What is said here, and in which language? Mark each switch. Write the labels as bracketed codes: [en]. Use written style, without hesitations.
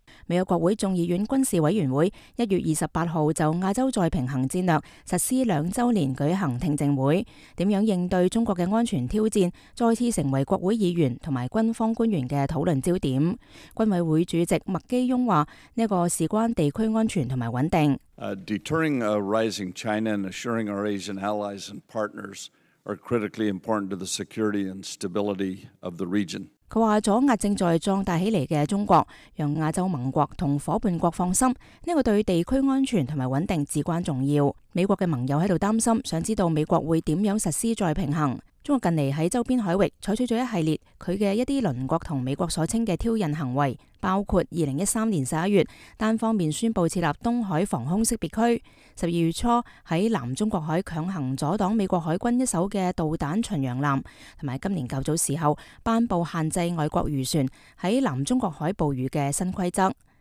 [zh] 美国国会众议院军事委员会1月28日就亚洲再平衡战略实施两周年举行听证会，怎样应对中国的安全挑战再次成为国会议员和军方官员的讨论焦点。军委会主席麦基庸说，这个事关地区安全和稳定。 [en] Deterring a rising China and assuring our Asian allies and partners are critically important to the security and stability of the region. [zh] 他说阻压正在壮大起来的中国，让亚洲盟国和伙伴国放心，这个对地区安全和稳定至关重要。美国的盟友在这里担心，想知道美国会怎样实施再平衡。中国近来在周边海域采取了一系列他的一些邻国和美国所称的挑衅行为，包括2013年11月单方面宣布设立东海防空识别区，12月初在南中国海强行阻挡美国海军一艘的导弹巡洋舰，以及今年较早时候颁布限制外国渔船在南中国海捕鱼的新规则。